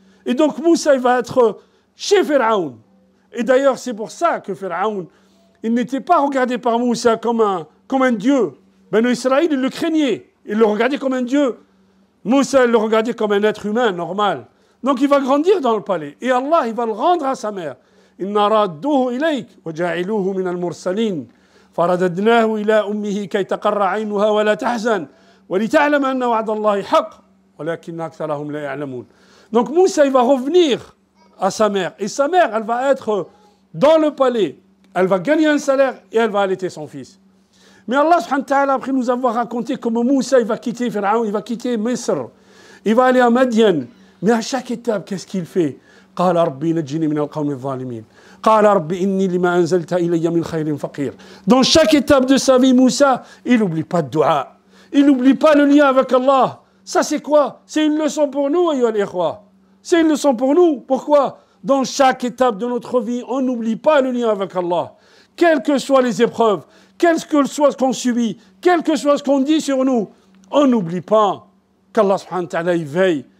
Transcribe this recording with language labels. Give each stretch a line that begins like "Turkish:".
French: Et donc Moussa, il va être chez Pharaon. Et d'ailleurs, c'est pour ça que Pharaon, il n'était pas regardé par Moussa comme un dieu. Ben Israël, il le craignait. Il le regardait comme un dieu. Moussa, il le regardait comme un être humain, normal. Donc il va grandir dans le palais. Et Allah, il va le rendre à sa mère.
Arabic: إِنَّا رَادُّوهُ إِلَيْكَ وَجَاعِلُوهُ مِنَ الْمُرْسَلِينَ فَرَدَدْنَاهُ إِلَى أُمِّهِ كَيْ تَقَرَّ عَيْنُهَا وَلَا تَحْزَنَ وَلِتَعْلَمَ أَنَّ وَعْدَ اللَّهِ حَقٌّ وَلَكِنَّ أَكْثَرَهُمْ لَا يَعْلَمُونَ
French: Donc Moussa, il va revenir à sa mère. Et sa mère, elle va être dans le palais. Elle va gagner un salaire et elle va allaiter son fils. Mais Allah subhanahu wa ta'ala, après nous avoir raconté comment Moussa, il va quitter Pharaon, il va quitter Misr, il va aller à Madian. Mais à chaque étape, qu'est-ce qu'il fait ?
Arabic: قال ربي نجني من القوم الظالمين قال ربي إني لما أنزلت إلي من خير فقير
French: Dans chaque étape de sa vie, Moussa, il n'oublie pas le dua. Il n'oublie pas le lien avec Allah. Ça, c'est quoi ? C'est une leçon pour nous, ayyuhal ikhwa. C'est une leçon pour nous. Pourquoi ? Dans chaque étape de notre vie, on n'oublie pas le lien avec Allah. Quelles que soient les épreuves, quel que soit ce qu'on subit, quel que soit ce qu'on dit sur nous, on n'oublie pas qu'Allah subhanahu wa ta'ala, il veille.